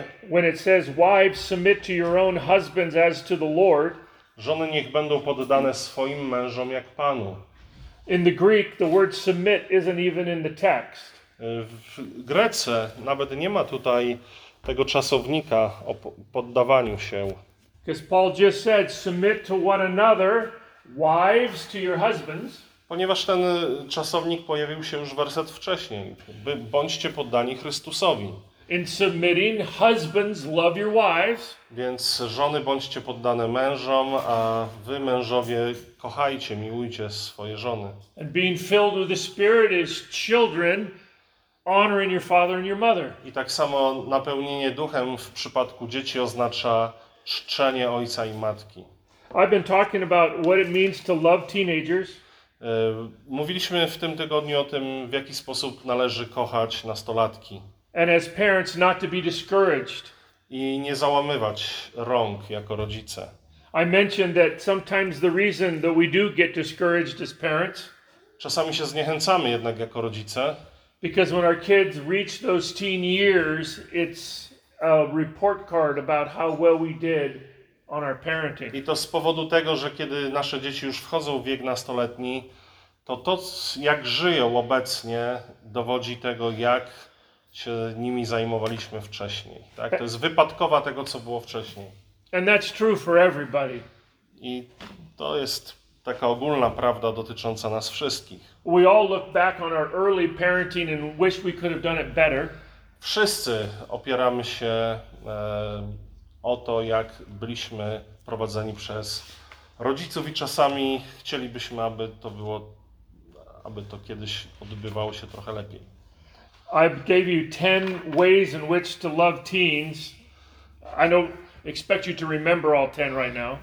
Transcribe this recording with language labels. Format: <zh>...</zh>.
<en>When it says, "Wives, submit to your own husbands as to the Lord."</en> <pl>Żony niech będą poddane swoim mężom jak Panu.</pl> <en>In the Greek, the word submit isn't even in the text.</en> <pl>W Grece nawet nie ma tutaj tego czasownika o poddawaniu się.</pl> <en>Because Paul just said, "Submit to one another, wives to your husbands."</en> <pl>Ponieważ ten czasownik pojawił się już werset wcześniej. Bądźcie poddani Chrystusowi.</pl> <en>In submitting, husbands love your wives.</en> <pl>Więc żony bądźcie poddane mężom, a wy mężowie kochajcie, miłujcie swoje żony.</pl> <en>And being filled with the Spirit is children honoring your father and your mother.</en> <pl>I tak samo napełnienie duchem w przypadku dzieci oznacza czczenie ojca i matki.</pl> <en>I've been talking about what it means to love teenagers.</en> <pl>Mówiliśmy w tym tygodniu o tym, w jaki sposób należy kochać nastolatki.</pl> <en>And as parents, not to be discouraged.</en> <pl>I nie załamywać rąk jako rodzice.</pl> <en>I mentioned that sometimes the reason that we do get discouraged as parents.</en> <pl>Czasami się zniechęcamy jednak jako rodzice.</pl> <en>Because when our kids reach those teen years, it's a report card about how well we did on our parenting.</en> <pl>I to z powodu tego, że kiedy nasze dzieci już wchodzą w wiek nastoletni, to to, jak żyją obecnie, dowodzi tego, jak się nimi zajmowaliśmy wcześniej. Tak? To jest wypadkowa tego, co było wcześniej.</pl> <en>And that's true for everybody.</en> <pl>I to jest taka ogólna prawda dotycząca nas wszystkich.</pl> <en>We all look back on our early parenting and wish we could have done it better.</en> <pl>Wszyscy opieramy się o to, jak byliśmy prowadzeni przez rodziców i czasami chcielibyśmy, aby to było, aby to kiedyś odbywało się trochę lepiej.</pl> <en>I gave you 10 ways in which to love teens. I don't expect you to remember all 10 right now.</en>